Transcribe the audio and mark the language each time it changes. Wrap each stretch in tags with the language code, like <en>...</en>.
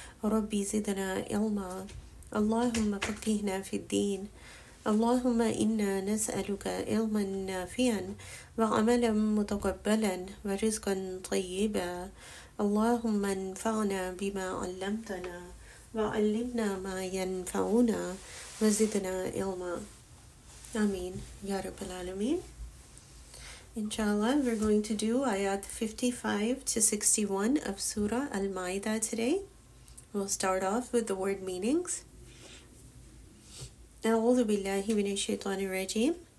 <ar>رب زدنا علما، اللهم فقهنا في الدين، اللهم إنا نسألك علما نافعا وعملا متقبلا ورزقا طيبا. اللهم انفعنا بما علمتنا وعلمنا ما ينفعنا وزدنا علما. آمين يا رب العالمين.</ar> <en>Inshallah, we're going to do ayat 55 to 61 of Surah Al-Ma'idah today. We'll start off with the word meanings.</en> <ar>أعوذ بالله من الشيطان الرجيم.</ar>